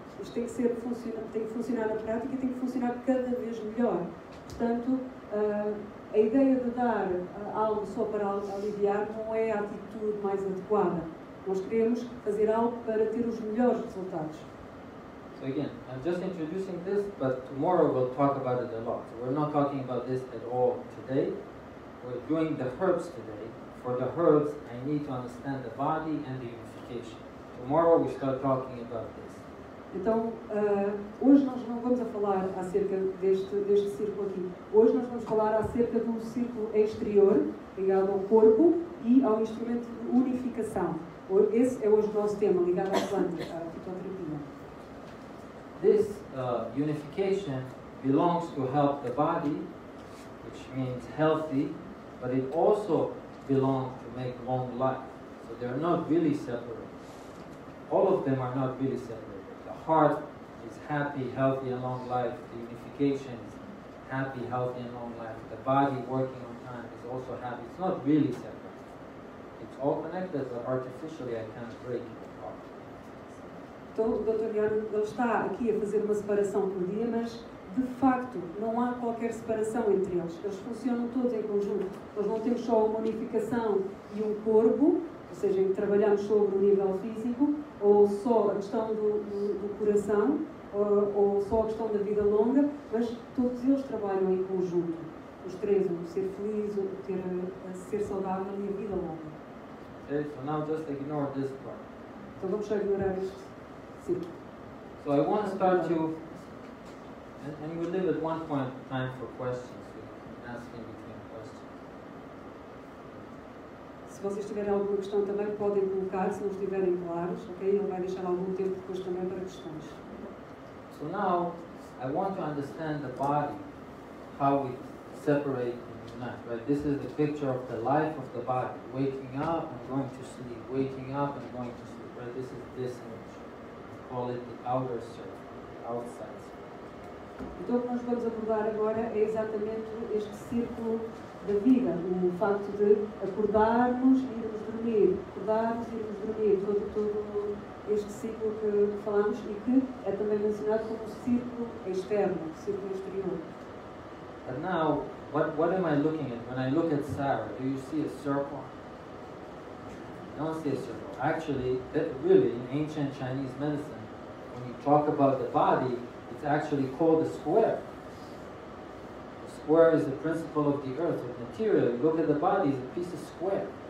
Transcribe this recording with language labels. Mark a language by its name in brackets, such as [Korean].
[Portuguese] Isto tem que ser tem que funcionar na prática e tem que funcionar cada vez melhor. Portanto, a ideia de dar algo só para aliviar não é a atitude mais adequada. Nós queremos fazer algo para ter os melhores resultados. [English] Again, I'm just introducing this, but tomorrow we'll talk about it a lot. So we're not talking about this at all today. We're doing the herbs today. For the herbs, I need to understand the body and the unification. Tomorrow we start talking about this. [Portuguese] Então, hoje nós não vamos a falar acerca deste círculo aqui. Hoje nós vamos falar acerca de um círculo exterior ligado ao corpo e ao instrumento de unificação. Esse é hoje o nosso tema, ligado à planta, à fitoterapia. [English] This unification belongs to help the body, which means healthy, but it also belongs to make long life. So they're not really separate. All of them are not really separate. The heart is happy, healthy, and long life. The unification is happy, healthy, and long life. The body working on time is also happy. It's not really separate. It's all connected, but artificially I can't break it apart. [Portuguese] Então, o Dr. Yang está aqui a fazer uma separação por dia, mas de facto não há qualquer separação entre eles. Eles funcionam todos em conjunto. Nós não temos só uma unificação e um corpo, ou seja, em que trabalhamos sobre o nível físico, ou só a questão do coração, ou só a questão da vida longa, mas todos eles trabalham em conjunto. Os três, o ser feliz, o ter a ser saudável e a vida longa. [English] Okay, so now just ignore this part. [Portuguese] Então vamos só ignorar isto. [English] So I want to start to, and we live at one point of time for questions, so you can ask in between questions. [Portuguese] Se vocês tiverem alguma questão também podem colocar, se não estiverem claros, ok? Ele vai deixar algum tempo depois também para questões. [English] So now, I want to understand the body, how we separate and unite, right? This is the picture of the life of the body, waking up and going to sleep, waking up and going to sleep, right? This is this image. Call it the outer self, the outside self. [Portuguese] Então, o que nós vamos abordar agora é exatamente este círculo da vida, o facto de acordarmos e irmos dormir, acordarmos e irmos dormir, todo este ciclo que falámos e que é também mencionado como círculo externo, círculo exterior. [English] But now, what am I looking at? When I look at Sarah, do you see a circle? I don't see a circle. Actually, that really, in ancient Chinese medicine, when you talk about the body, it's actually called a square. The square is the principle of the earth, of material. You look at the body, it's a piece of square.